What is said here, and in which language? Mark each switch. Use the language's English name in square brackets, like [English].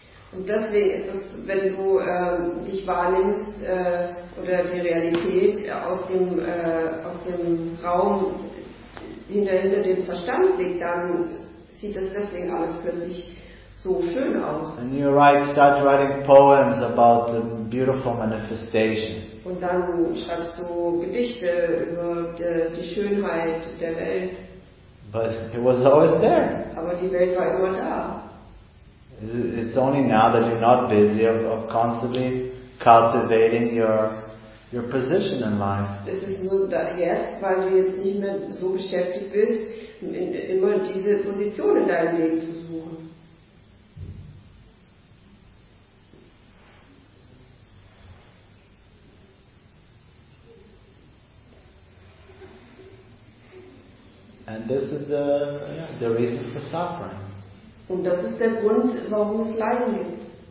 [German] Und deswegen ist es, wenn du dich wahrnimmst oder die Realität aus dem Raum hinter dem Verstand liegt, dann sieht das deswegen alles plötzlich so schön aus. [English] And you start writing poems about the beautiful manifestation. [German] Und dann schreibst du Gedichte über die Schönheit der Welt. [English] But it was always there. [German] Aber die Welt war immer da. [English] It's only now that you're not busy of constantly cultivating your position in life. [German] Es ist nur da jetzt, weil du jetzt nicht mehr so beschäftigt bist, immer diese Position in deinem Leben zu suchen. [English] And this is the reason for suffering. [German] Und das ist der Grund, warum es Leiden gibt.